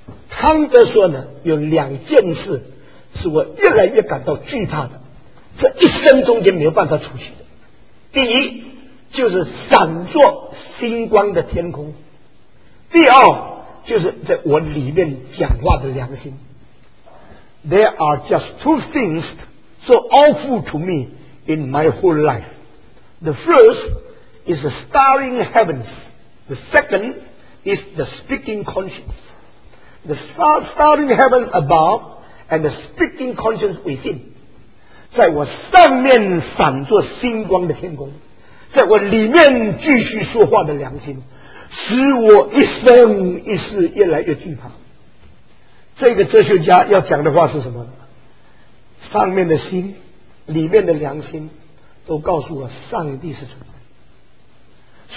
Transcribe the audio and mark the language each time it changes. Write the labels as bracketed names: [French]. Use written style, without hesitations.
[Chinese] 康德说呢，有两件事是我越来越感到惧怕的，这一生中间没有办法出去的。第一就是闪烁星光的天空，第二就是在我里面讲话的良心。 [English] There are just two things so awful to me in my whole life. The first is the starring heavens. The second is the speaking conscience. The starring heavens above and the speaking conscience within. [Chinese] 在我上面闪着星光的天空，在我里面继续说话的良心，使我一生一世越来越惧怕。这个哲学家要讲的话是什么？上面的心，里面的良心，都告诉我上帝是存在。